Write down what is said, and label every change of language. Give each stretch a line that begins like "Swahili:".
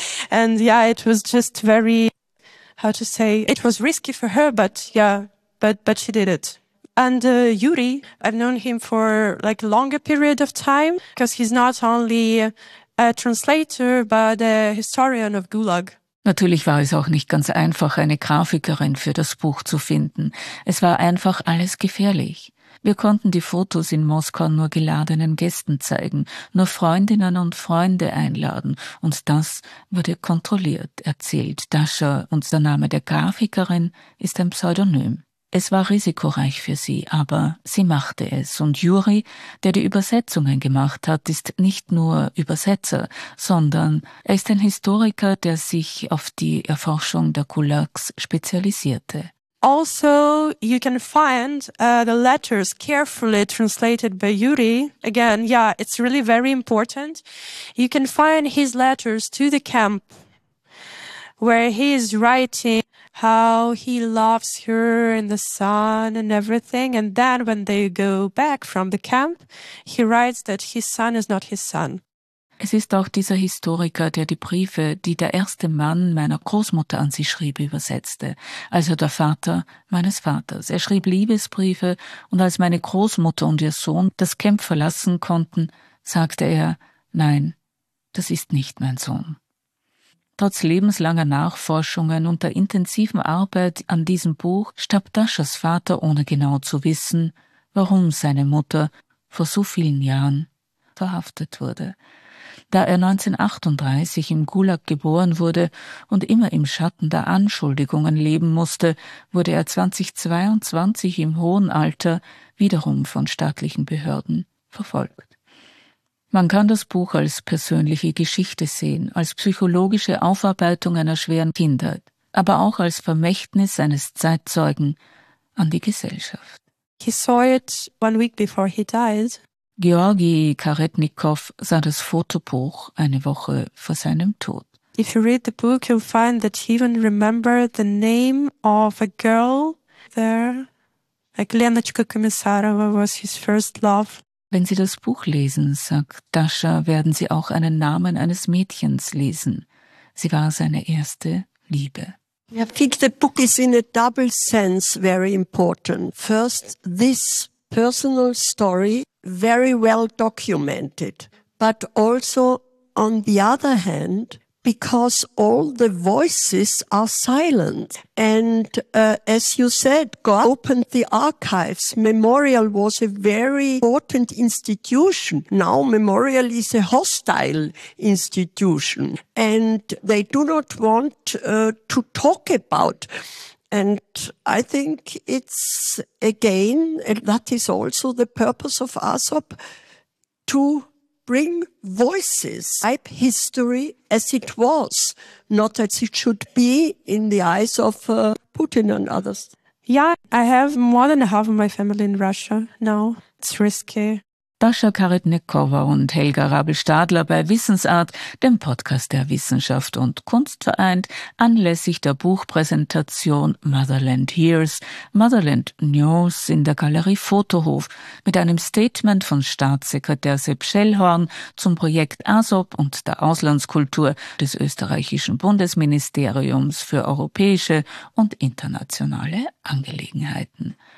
English: And yeah, it was just very, how to say, it was risky for her, but yeah, but she did it. And Yuri, I've known him for like a longer period of time because he's not only a translator, but a historian of Gulag.
German: Natürlich war es auch nicht ganz einfach, eine Grafikerin für das Buch zu finden. Es war einfach alles gefährlich. Wir konnten die Fotos in Moskau nur geladenen Gästen zeigen, nur Freundinnen und Freunde einladen. Und das wurde kontrolliert, erzählt Dascha. Und der Name der Grafikerin ist ein Pseudonym. Es war risikoreich für sie, aber sie machte es. Und Juri, der die Übersetzungen gemacht hat, ist nicht nur Übersetzer, sondern er ist ein Historiker, der sich auf die Erforschung der Gulags spezialisierte.
English: Also, you can find the letters carefully translated by Yuri. Again, yeah, it's really very important. You can find his letters to the camp where he is writing how he loves her in the sun and everything. And then when they go back from the camp, he writes that his son is not his son.
German: Es ist auch dieser Historiker, der die Briefe, die der erste Mann meiner Großmutter an sie schrieb, übersetzte, also der Vater meines Vaters. Er schrieb Liebesbriefe und als meine Großmutter und ihr Sohn das Camp verlassen konnten, sagte er, nein, das ist nicht mein Sohn. Trotz lebenslanger Nachforschungen und der intensiven Arbeit an diesem Buch starb Daschas Vater, ohne genau zu wissen, warum seine Mutter vor so vielen Jahren verhaftet wurde. Da er 1938 im Gulag geboren wurde und immer im Schatten der Anschuldigungen leben musste, wurde er 2022 im hohen Alter wiederum von staatlichen Behörden verfolgt. Man kann das Buch als persönliche Geschichte sehen, als psychologische Aufarbeitung einer schweren Kindheit, aber auch als Vermächtnis eines Zeitzeugen an die Gesellschaft.
English: He saw it one week before he died.
German: Georgi Karetnikov sah das Fotobuch eine Woche vor seinem Tod.
English: If you read the book, you'll find that he even remembered the name of a girl there. Like Lenochka Komissarova was his first love.
German: Wenn Sie das Buch lesen, sagt Dascha, werden Sie auch einen Namen eines Mädchens lesen. Sie war seine erste Liebe.
English: I think the book is in a double sense very important. First, this personal story, very well documented, but also on the other hand, because all the voices are silent. And as you said, God opened the archives. Memorial was a very important institution. Now Memorial is a hostile institution. And they do not want to talk about. And I think it's, again, and that is also the purpose of ASOP, to bring voices, type history as it was, not as it should be in the eyes of Putin and others. Yeah, I have more than half of my family in Russia now. It's risky.
German: Dasha Karetnikova und Helga Rabel-Stadler bei Wissensart, dem Podcast der Wissenschaft und Kunst vereint, anlässlich der Buchpräsentation Motherland Hears, Motherland News in der Galerie Fotohof mit einem Statement von Staatssekretär Sepp Schellhorn zum Projekt ASOP und der Auslandskultur des österreichischen Bundesministeriums für europäische und internationale Angelegenheiten.